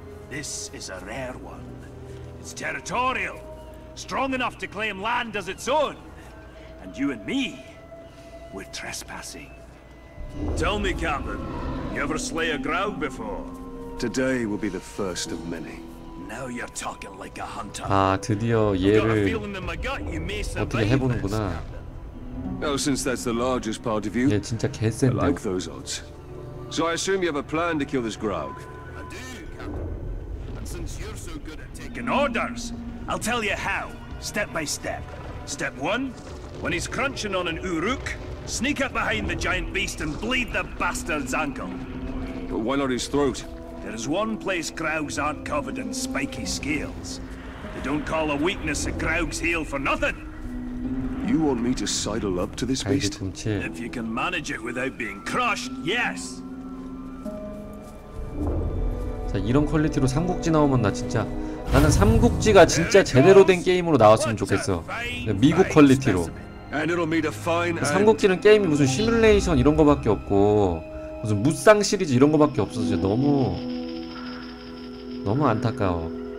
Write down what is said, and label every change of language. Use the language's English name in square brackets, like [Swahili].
[English] This is a rare one. It's territorial. Strong enough to claim land as its own. And you and me, we're trespassing. Tell me, Captain, you ever slay a Grog before? Today will be the first of many. Now you're talking like a hunter. [Korean] 아, 드디어 얘를 어떻게 해보는구나. [English] Oh, since that's the largest part of you, [Korean] 얘 진짜 개센데. [English] I like those odds. So I assume you have a plan to kill this Grog. I do, Captain. And since you're so good at taking orders, I'll tell you how, step by step. Step one, when he's crunching on an Uruk, sneak up behind the giant beast and bleed the bastard's ankle. But why not his throat? There is one place Grogs aren't covered in spiky scales. They don't call a weakness a Grog's heel for nothing. You want me to sidle up to this beast? If you can manage it without being crushed, yes. [Korean] 자, 이런 퀄리티로 삼국지 나오면 나 진짜 나는 삼국지가 진짜 제대로 된 게임으로 나왔으면 좋겠어. 미국 퀄리티로. 삼국지는 게임이 무슨 시뮬레이션 이런 거밖에 없고 무슨 무쌍 시리즈 이런 거밖에 없어서 진짜 너무 안타까워.